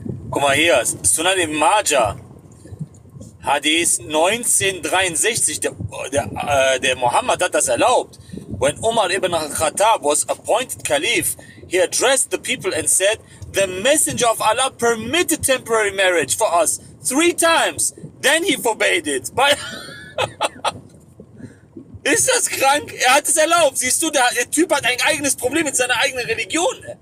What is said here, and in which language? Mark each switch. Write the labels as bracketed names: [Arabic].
[German] Guck mal hier, Sunan ibn Majah, Hadith 1963, der Muhammad hat das erlaubt. [English] When Umar ibn Khattab was appointed Caliph, he addressed the people and said, the messenger of Allah permitted temporary marriage for us 3 times, then he forbade it. [German] Ist das krank? Er hat es erlaubt, siehst du, der Typ hat ein eigenes Problem mit seiner eigenen Religion.